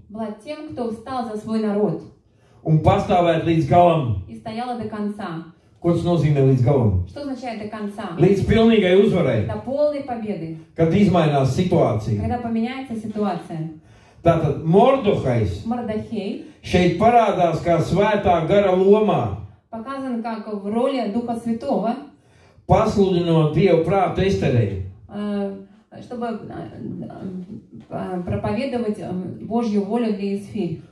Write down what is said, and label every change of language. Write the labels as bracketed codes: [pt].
[ru] Была тем, кто встал за свой народ. [lv] Un pastāvēt līdz galam. [ru] И стояла до конца. [lv] Ko tas nozīmē līdz galam? [ru] Что означает до конца? [lv] Līdz pilnīgai uzvarai. [ru] До полной победы. [lv] Kad izmainās situācija. [ru] Когда поменяется ситуация. [lv] Tātad Mordohais. [ru] Мордохей. [lv] Šeit parādās kā svētā gara lomā. [ru] Показан как в роли Духа Святого. [lv] Pasludinot Dievu prātu Esterei. [ru] Чтобы проповедовать Божью волю для Есфирь.